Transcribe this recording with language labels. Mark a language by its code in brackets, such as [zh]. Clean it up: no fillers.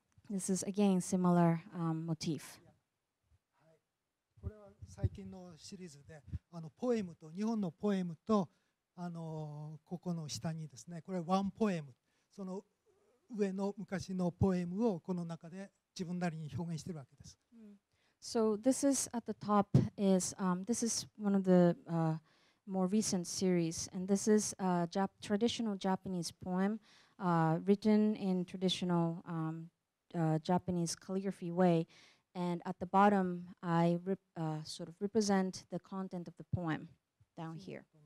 [en] This is again similar motif. [ja] これは最近のシリーズで、ポエムと日本のポエムと、ここの下にですね、これワンポエム、その上の昔のポエムをこの中で自分なりに表現してるわけです。 [en] So this is at the top this is one of the more recent series, and this is a traditional Japanese poem written in traditional Japanese calligraphy way, and at the bottom I sort of represent the content of the poem down here.